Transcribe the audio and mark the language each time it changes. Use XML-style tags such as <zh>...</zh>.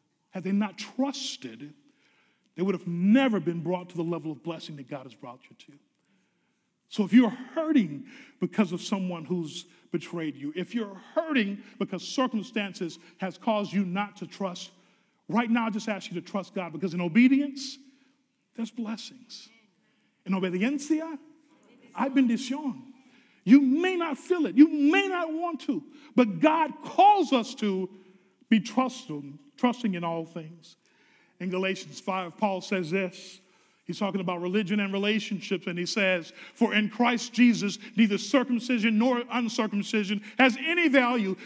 <en>Had they not trusted, they would have never been brought to the level of blessing that God has brought you to. So if you're hurting because of someone who's betrayed you, if you're hurting because circumstances has caused you not to trust, right now I just ask you to trust God, because in obedience, there's blessings.</en> <es>In obediencia, hay bendición.</es> <en>You may not feel it. You may not want to. But God calls us to be trusting in all things. In Galatians 5, Paul says this. He's talking about religion and relationships. And he says, for in Christ Jesus, neither circumcision nor uncircumcision has any value.</en>